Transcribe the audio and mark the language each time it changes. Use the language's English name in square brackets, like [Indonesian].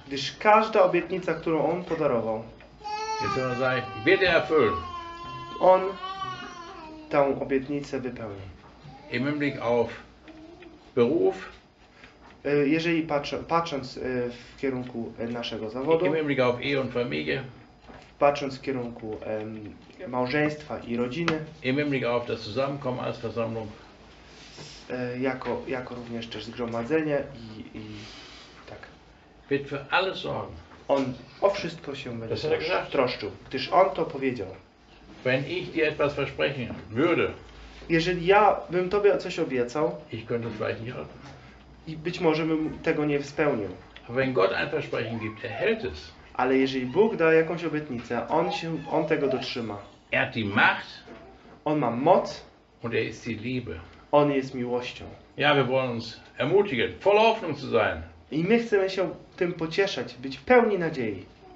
[Polish] Gdyż każda obietnica, którą on podarował. [German] Jetzt soll er sagen, wird er erfüllen. [Polish] On tę obietnicę wypełni. [German] Im Hinblick auf Beruf. [Polish] Jeżeli patrząc w kierunku naszego zawodu. [German] Im Hinblick auf Ehe und Familie. [Polish] Patrząc w kierunku małżeństwa i rodziny. [German] Im Hinblick auf das Zusammenkommen als Versammlung. [Polish] Jako również też zgromadzenie i tak. [German] Wird für alles sorgen. [Polish] On o wszystko się będzie troszczył, gdyż on to powiedział. [German] Wenn ich dir etwas versprechen würde. [Polish] Jeżeli ja bym tobie coś obiecał. [German] Ich könnte vielleicht nicht halten. [Polish] I być może bym tego nie spełnił. [German] Wenn Gott ein Versprechen gibt, er hält es. [Polish] Ale jeżeli Bóg da jakąś obietnicę, on tego dotrzyma. [German] Er hat die Macht. [Polish] On ma moc. [German] Und er ist die Liebe. [Polish] On jest miłością. [German] Ja, wir wollen uns ermutigen, voller Hoffnung zu sein. [Polish] I my chcemy się tym pocieszać, być w pełni nadziei.